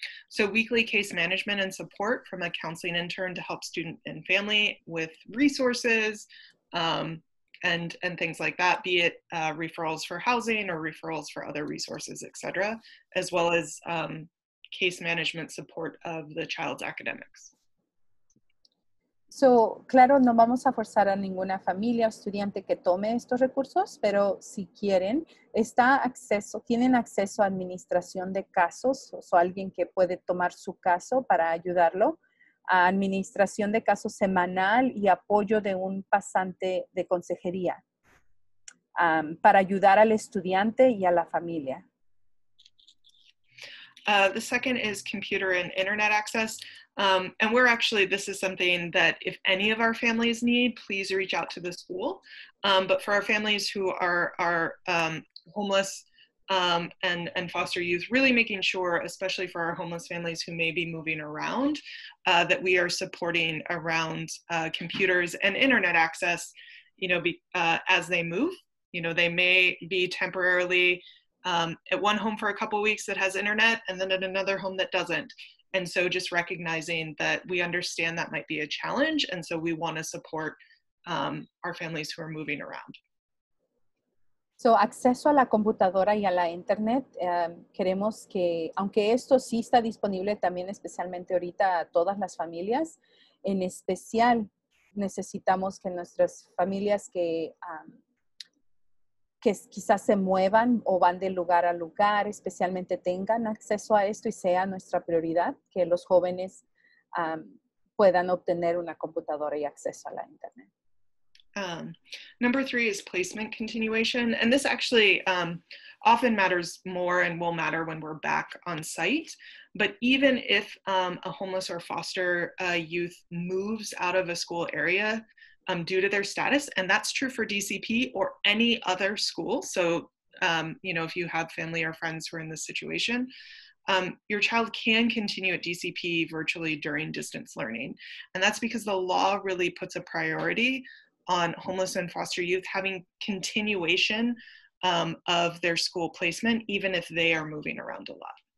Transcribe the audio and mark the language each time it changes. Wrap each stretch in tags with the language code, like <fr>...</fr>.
<en>So weekly case management and support from a counseling intern to help student and family with resources, and things like that, be it referrals for housing or referrals for other resources, et cetera, as well as case management support of the child's academics.</en> <es>So, claro, no vamos a forzar a ninguna familia o estudiante que tome estos recursos, pero si quieren, tienen acceso a administración de casos o alguien que puede tomar su caso para ayudarlo. A administración de casos semanal y apoyo de un pasante de consejería para ayudar al estudiante y a la familia.</es> <en>The second is computer and internet access. And we're actually, this is something that if any of our families need, please reach out to the school. But for our families who are homeless and foster youth, really making sure, especially for our homeless families who may be moving around, that we are supporting around computers and internet access, you know, as they move. You know, they may be temporarily at one home for a couple weeks that has internet and then at another home that doesn't. And so just recognizing that we understand that might be a challenge. And so we want to support our families who are moving around.</en> <es>So, acceso a la computadora y a la internet, queremos que, aunque esto sí está disponible también especialmente ahorita a todas las familias, en especial necesitamos que nuestras familias que quizás se muevan o van de lugar a lugar, especialmente tengan acceso a esto y sea nuestra prioridad que los jóvenes puedan obtener una computadora y acceso a la internet.</es> <en>Number three is placement continuation, and this actually often matters more and will matter when we're back on site. But even if a homeless or foster youth moves out of a school area due to their status, and that's true for DCP or any other school, so you know, if you have family or friends who are in this situation, your child can continue at DCP virtually during distance learning, and that's because the law really puts a priority on homeless and foster youth having continuation of their school placement, even if they are moving around a lot.</en>